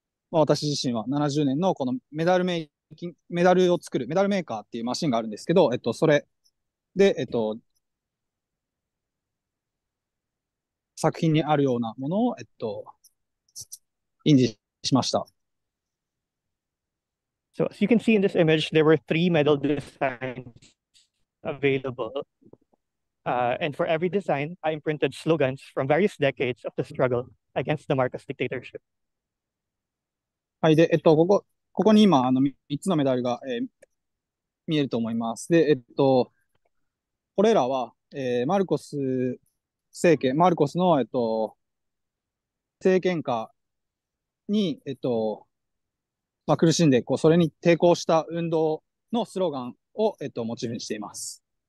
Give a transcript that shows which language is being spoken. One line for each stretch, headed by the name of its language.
Japanese: まあ、私自身は70年のこのメダルメイキング、メダルを作る、メダルメーカーっていうマシンがあるんですけど、それ、で、作品にあるようなものを、印字しました。
English: So, as you can see in this image, there were three medal designs available. And for every design, I imprinted slogans from various decades of the struggle against the Marcos dictatorship.
Japanese: はい、で、ここに今、3つのメダルが、見えると思います。で、これらは、マルコス政権、マルコスの、政権下に、まあ、苦しんで、こう、それに抵抗した運動のスローガンを、モチーフにしています。